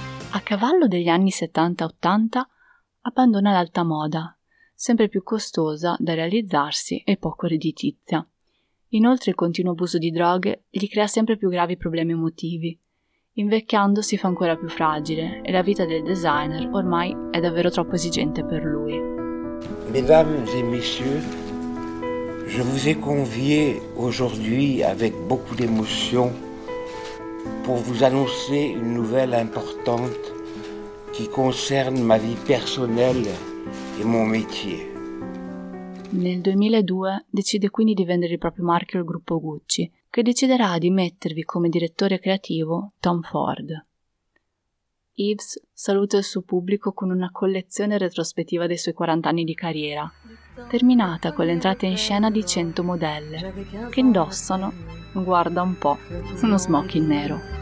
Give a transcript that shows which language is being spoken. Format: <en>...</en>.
<it>A cavallo degli anni 70-80 abbandona l'alta moda, sempre più costosa da realizzarsi e poco redditizia. Inoltre il continuo abuso di droghe gli crea sempre più gravi problemi emotivi. Invecchiando si fa ancora più fragile e la vita del designer ormai è davvero troppo esigente per lui.</it> <fr>Mesdames et messieurs, je vous ai convié aujourd'hui avec beaucoup d'émotion pour vous annoncer une nouvelle importante qui concerne ma vie personnelle et mon métier.</fr> <it>Nel 2002 decide quindi di vendere il proprio marchio al gruppo Gucci, che deciderà di mettervi come direttore creativo Tom Ford. Yves saluta il suo pubblico con una collezione retrospettiva dei suoi 40 anni di carriera, terminata con l'entrata in scena di 100 modelle, che indossano, guarda un po', uno smoking nero.</it>